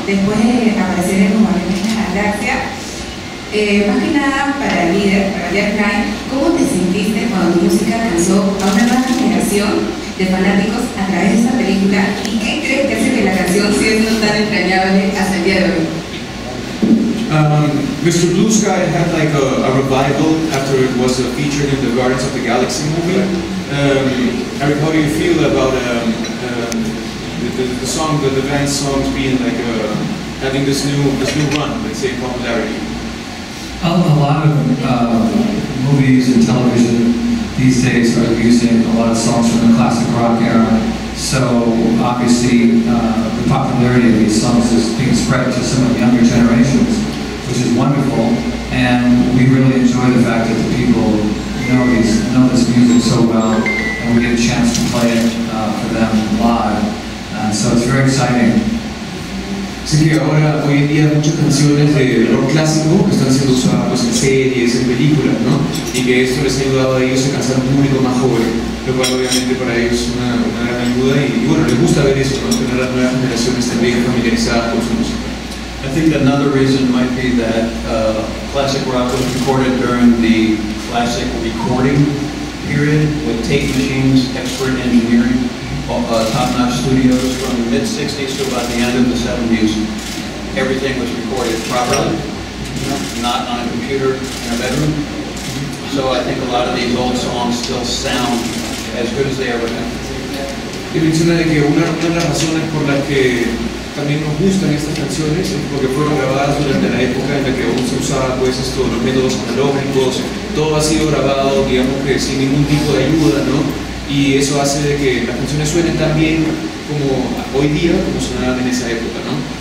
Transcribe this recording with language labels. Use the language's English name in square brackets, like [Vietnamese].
[Spanish] Después de aparecer en los Guardianes de la Galaxia. Más que nada para el líder, para Jeff Lynne, ¿cómo te sentiste cuando tu música alcanzó a una nueva generación de fanáticos a través de esta película? ¿Y qué crees que hace que la canción siendo tan entrañable hasta el día de hoy? [English] Mr. Blue Sky had a revival after it was featured in the Guardians of the Galaxy movie. Eric, how do you feel about the song, the band's songs being having this new run, popularity? A lot of movies and television these days are using a lot of songs from the classic rock era. So obviously the popularity of these songs is being spread to some of the younger generations, which is wonderful. And we really enjoy the fact that the people know this music so well, and we get a chance to play it for them live. And so it's very exciting. [Spanish] Así que ahora, hoy en día, muchas canciones de rock clásico que están siendo usadas en series, en películas, ¿no? Y que esto les ha ayudado a ellos a alcanzar un público más joven, lo cual obviamente para ellos es una gran ayuda y bueno, les gusta ver eso, ¿no? Tener las nuevas generaciones también familiarizadas con su música. [English] I think another reason might be that classic rock was recorded during the classic recording period with tape machines, expert engineering. Top-notch studios from the mid-60s to about the end of the 70s. Everything was recorded properly, not on a computer in a bedroom. So I think a lot of these old songs still sound as good as they ever have. [Spanish] Y menciona de que una de las razones por las que también nos gustan estas canciones es porque fueron grabadas durante la época en la que aún se usaban los métodos analógicos. Todo ha sido grabado, digamos que sin ningún tipo de ayuda, ¿no? Y eso hace de que las canciones suenen tan bien como hoy día, como sonaban en esa época, ¿no?